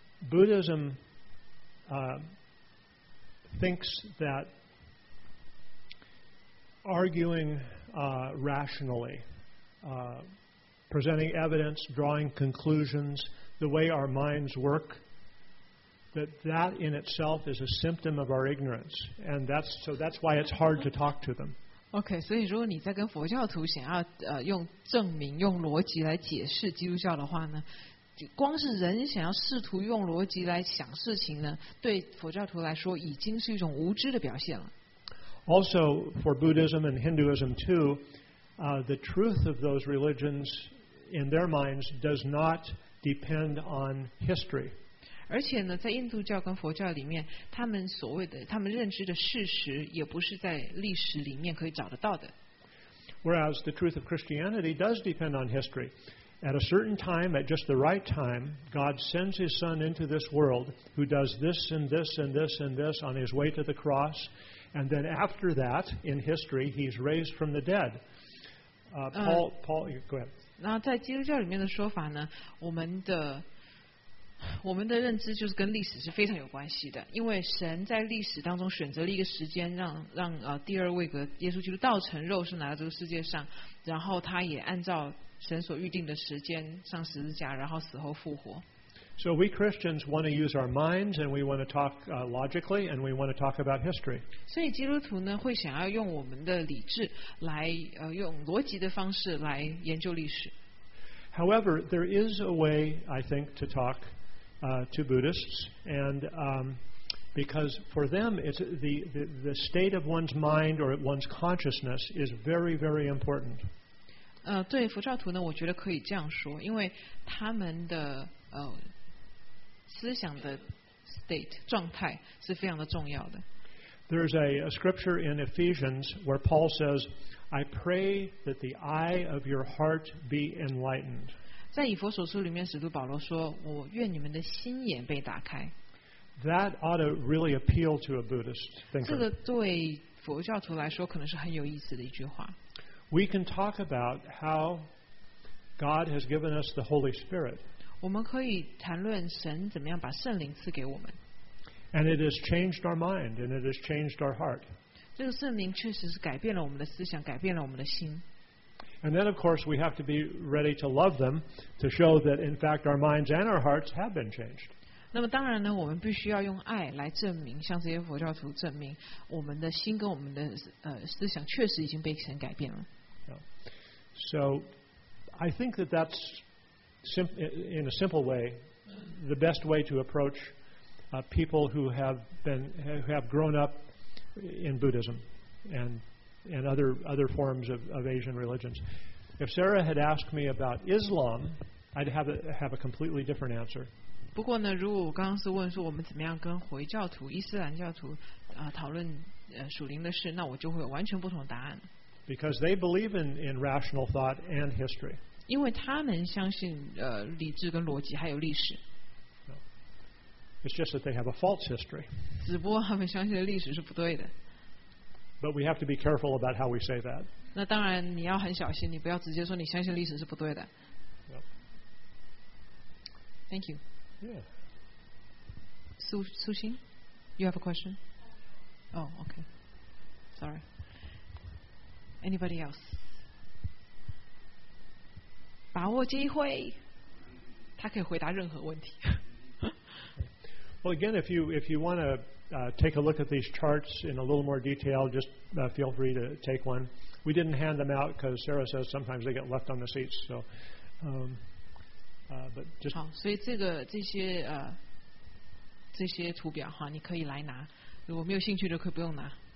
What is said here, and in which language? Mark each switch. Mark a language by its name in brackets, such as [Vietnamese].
[English] Buddhism thinks that arguing rationally, presenting evidence, drawing conclusions, the way our minds work, that in itself is a symptom of our ignorance, and that's why it's hard to talk to them. [Chinese] Okay, 所以如果你在跟佛教徒想要用证明、用逻辑来解释基督教的话呢，光是人想要试图用逻辑来想事情呢，对佛教徒来说已经是一种无知的表现了。 [English] Also, for Buddhism and Hinduism too, the truth of those religions in their minds does not depend on history. [Chinese] 而且呢，在印度教跟佛教里面，他们所谓的他们认知的事实，也不是在历史里面可以找得到的。 [English] Whereas the truth of Christianity does depend on history. At a certain time, at just the right time, God sends His Son into this world, who does this and this and this and this on His way to the cross, and then after that, in history, He's raised from the dead. Paul, go ahead. [Chinese] 那在基督教里面的说法呢，我们的认知就是跟历史是非常有关系的，因为神在历史当中选择了一个时间让第二位格耶稣基督道成肉身来到这个世界上，然后他也按照神所预定的时间上十字架，然后死后复活。 [English] So we Christians want to use our minds and we want to talk logically and we want to talk about history. [Chinese] 所以基督徒呢会想要用我们的理智来用逻辑的方式来研究历史。 [English] However, there is a way, I think, to talk to Buddhists, and because for them, it's the state of one's mind or one's consciousness is very, very important. [Chinese] 对佛教徒呢，我觉得可以这样说，因为他们的思想的 state 状态是非常的重要的。 [English] There's a scripture in Ephesians where Paul says, "I pray that the eye of your heart be enlightened." [Chinese] 在以弗所书里面，使徒保罗说：“我愿你们的心眼被打开。” [English] That ought to really appeal to a Buddhist thinker. [Chinese] 这个对佛教徒来说可能是很有意思的一句话。 [English] We can talk about how God has given us the Holy Spirit. [Chinese] 我们可以谈论神怎么样把圣灵赐给我们。 [English] And it has changed our mind, and it has changed our heart. [Chinese] 这个圣灵确实是改变了我们的思想，改变了我们的心。 [English] And then, of course, we have to be ready to love them to show that, in fact, our minds and our hearts have been changed. [Chinese] 那么当然呢，我们必须要用爱来证明，向这些佛教徒证明，我们的心跟我们的思想确实已经被神改变了。 [English] So, I think that that's in a simple way, the best way to approach. People who have been who have grown up in Buddhism and other forms of Asian religions. If Sarah had asked me about Islam, I'd have a completely different answer. [Chinese] 不过呢，如果我刚刚是问说我们怎么样跟回教徒、伊斯兰教徒讨论属灵的事，那我就会有完全不同的答案。 [English] Because they believe in rational thought and history. [Chinese] 因为他们相信理智跟逻辑还有历史。 [English] It's just that they have a false history. [Chinese] 只不过他们相信的历史是不对的。 [English] But we have to be careful about how we say that. [Chinese] 那当然你要很小心，你不要直接说你相信历史是不对的。 Yep. [English] Thank you. Yeah. Su Xin, you have a question? Oh, okay. Sorry. Anybody else? [Chinese] 把握机会，他可以回答任何问题。 [English] Well, again, if you want to take a look at these charts in a little more detail, just feel free to take one. We didn't hand them out because Sarah says sometimes they get left on the seats. So, but just [Chinese] 好，所以这些图表哈，你可以来拿。如果没有兴趣的，可以不用拿。